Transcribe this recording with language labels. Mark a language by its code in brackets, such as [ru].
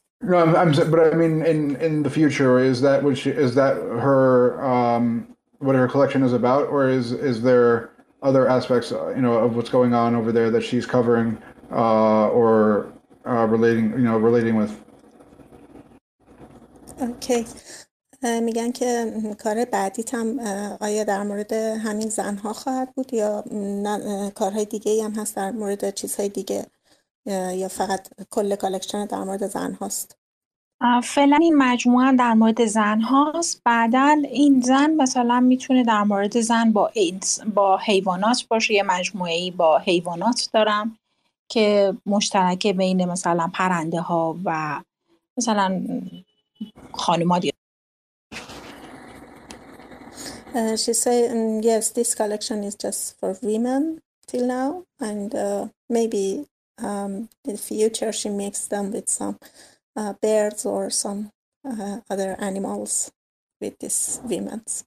[en] No, I'm but I mean, in the future, is that her what her collection is about, or is there other aspects, you know, of what's going on over there that she's covering, or relating, you know, relating with? Okay. [fa] میگن که کار بعدیت هم آیا در مورد همین زنها خواهد بود یا کارهای دیگه هم هست در مورد چیزهای دیگه یا فقط کل کالکشن در مورد زنهاست؟ فعلا این مجموعه در مورد زنهاست. بعدا این زن مثلا میتونه در مورد زن با ایدز با حیوانات باشه. یه مجموعه ای با حیوانات دارم که مشترکه بین مثلا پرنده ها و مثلا خانوم ها دیگه. [en] She said, yes, this collection is just for women till now, and maybe in the future she makes them with some birds or some other animals with these women.